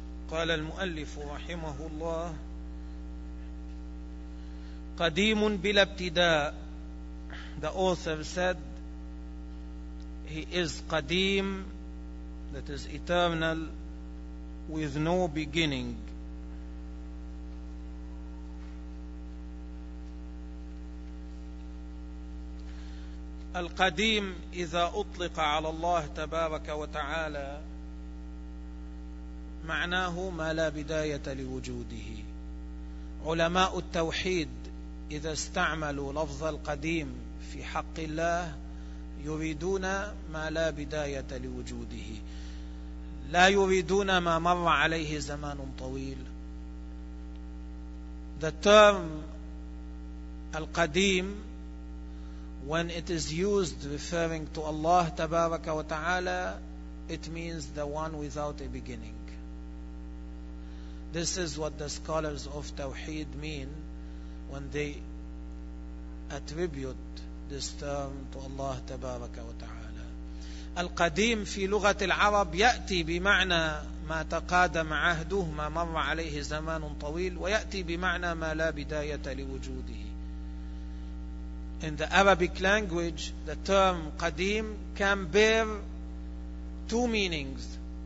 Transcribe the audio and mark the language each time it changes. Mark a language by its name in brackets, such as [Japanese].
[Arabic] قال المؤلف رحمه الله: قديم بلا ابتداء. [English] The author said he is قديم, that is eternal, with no beginning. [Arabic] القديم إذا أطلق على الله تبارك وتعالى معناه ما لا بداية لوجوده. علماء التوحيد إذا استعملوا لفظ القديم في حق الله يريدون ما لا بداية لوجوده, لا يريدون ما مر عليه زمان طويل. [English] The term القديم, when it is used referring to Allah [Arabic] تبارك وتعالى, [English] it means the one without a beginning. This is what the scholars of Tawheed mean when they attribute this term to Allah [Arabic] تبارك وتعالى. القديم في لغة العرب يأتي بمعنى ما تقادم عهده, ما مر عليه زمان طويل, ويأتي بمعنى ما لا بداية لوجوده. [English] In the Arabic language, the term قديم can bear two meanings.